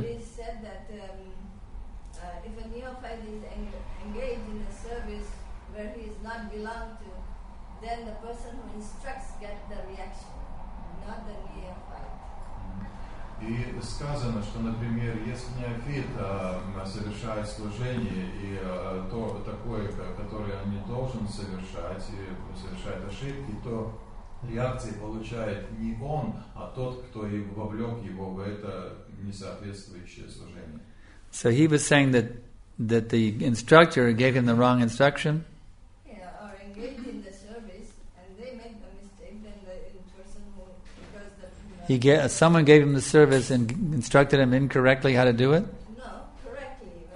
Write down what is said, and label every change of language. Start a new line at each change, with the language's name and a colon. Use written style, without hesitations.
English: He said that if a neophyte is engaged in a service where he is not belonged to, then the person who instructs gets the reaction, not the neophyte.
Russian: И сказано, что, например, если неофит совершает служение и то такое, которое он не должен должен совершать, совершает ошибки, то реакции получает не он, а тот, кто и вовлек его в это несоответствующее служение.
English: So he was saying that that the instructor gave him the wrong instruction. Yeah, or engaged in the service and they made a mistake, then the person who does the Someone gave him the service and instructed him incorrectly how to do it? No, correctly. Right?